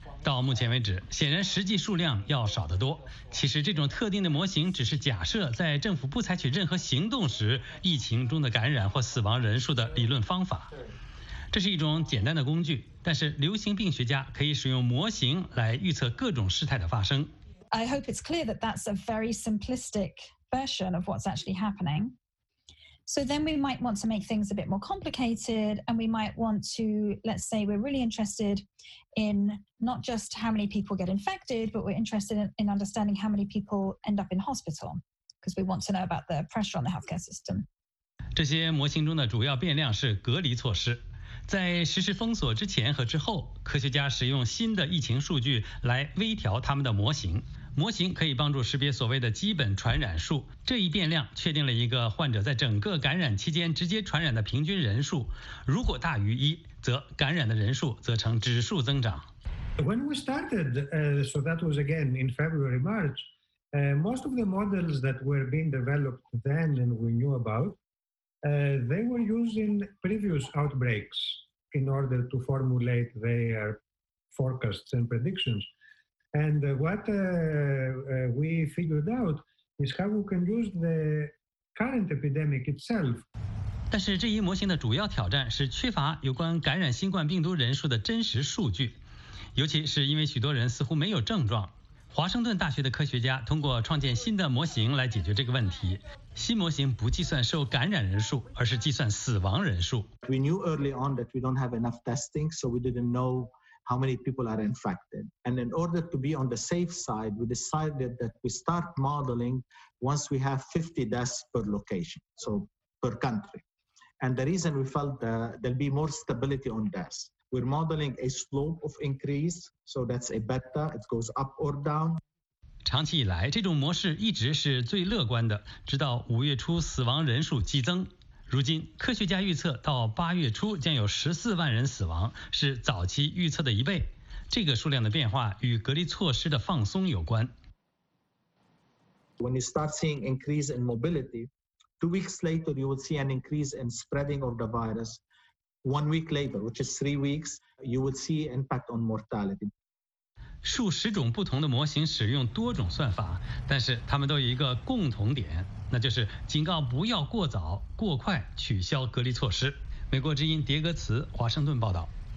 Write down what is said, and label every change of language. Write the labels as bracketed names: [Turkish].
[Chinese] 到目前为止，显然实际数量要少得多。其实这种特定的模型只是假设在政府不采取任何行动时，疫情中的感染或死亡人数的理论方法。这是一种简单的工具，但是流行病学家可以使用模型来预测各种事态的发生。 [English] I hope it's clear that that's a very simplistic version of what's actually happening. So then we might want to make things a bit more complicated, and we might want to, let's say we're really interested. In not just how many people get infected, but we're interested in understanding how many people end up in hospital, because we want to know about the pressure on the healthcare system. [Chinese] 这些模型中的主要变量是隔离措施。在实施封锁之前和之后，科学家使用新的疫情数据来微调他们的模型。模型可以帮助识别所谓的基本传染数，这一变量确定了一个患者在整个感染期间直接传染的平均人数，如果大于一，则感染的人数则呈指数增长。 [English] When we started, so that was again in February, March, most of the models that were being developed then and we knew about, they were using previous outbreaks in order to formulate their forecasts and predictions. And what we figured out is how we can use the current epidemic itself. [Chinese] 但是这一模型的主要挑战是缺乏有关感染新冠病毒人数的真实数据，尤其是因为许多人似乎没有症状。华盛顿大学的科学家通过创建新的模型来解决这个问题。新模型不计算受感染人数，而是计算死亡人数。 [English] We knew early on that we don't have enough testing, so we didn't know how many people are infected. And in order to be on the safe side, we decided that we start modeling once we have 50 deaths per location, so per country. And the reason we felt that there'll be more stability on deaths. We're modeling a slope of increase, so that's a beta, it goes up or down. [Chinese] 长期以来，这种模式一直是最乐观的，直到五月初死亡人数激增。如今，科学家预测到八月初将有14万人死亡，是早期预测的一倍。这个数量的变化与隔离措施的放松有关。 [English] When you start seeing increase in mobility, 2 weeks later you will see an increase in spreading of the virus. 1 week later, which is 3 weeks, you would see impact on mortality. [Chinese] 数十种不同的模型使用多种算法，但是他们都有一个共同点，那就是警告不要过早、过快取消隔离措施。美国之音迭戈茨，华盛顿报道。